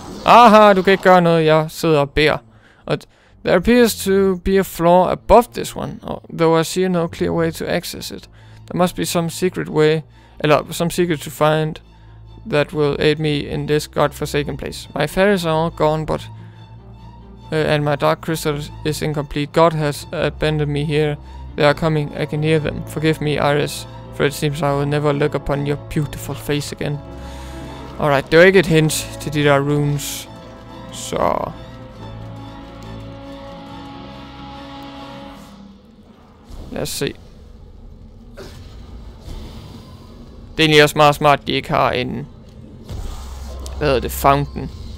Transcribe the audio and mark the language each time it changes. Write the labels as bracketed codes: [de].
[da] Aha, du kan ikke gøre noget, jeg sidder og beder. [en] There appears to be a floor above this one, though I see no clear way to access it. There must be some secret way, eller some secret to find that will aid me in this godforsaken place. My fairies are all gone, but and my dark crystal is incomplete. God has abandoned me here. They are coming. I can hear them. Forgive me, Iris, for it seems I will never look upon your beautiful face again. [da] Alright, det var ikke et hint til de der runes. Så. Lad os se. Det er lige også meget smart, at de ikke har en, hvad hedder det, fountain.